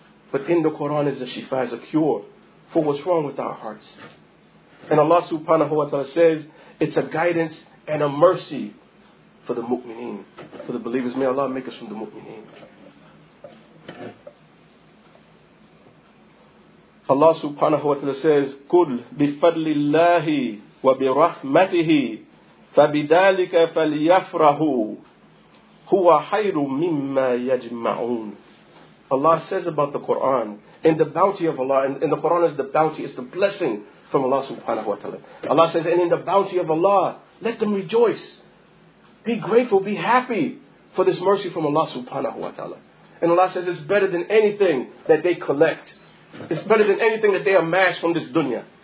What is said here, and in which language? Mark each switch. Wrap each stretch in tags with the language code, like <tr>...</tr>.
<en>But in the Quran is a shifa, is a cure for what's wrong with our hearts. And Allah subhanahu wa ta'ala says, it's a guidance and a mercy for the mu'mineen, for the believers. May Allah make us from the mu'mineen.</en> <ar>Allah subhanahu wa ta'ala says, قُلْ بِفَضْلِ اللَّهِ وَبِرَحْمَتِهِ فَبِدَالِكَ فَلْيَفْرَهُ هُوَ خَيْرٌ مِمَّا يَجْمَعُونَ.</ar> <en>Allah says about the Quran, in the bounty of Allah, and the Quran is the bounty, it's the blessing from Allah subhanahu wa ta'ala. Allah says, and in the bounty of Allah, let them rejoice. Be grateful, be happy for this mercy from Allah subhanahu wa ta'ala. And Allah says, it's better than anything that they collect. It's better than anything that they amass from this dunya.</en>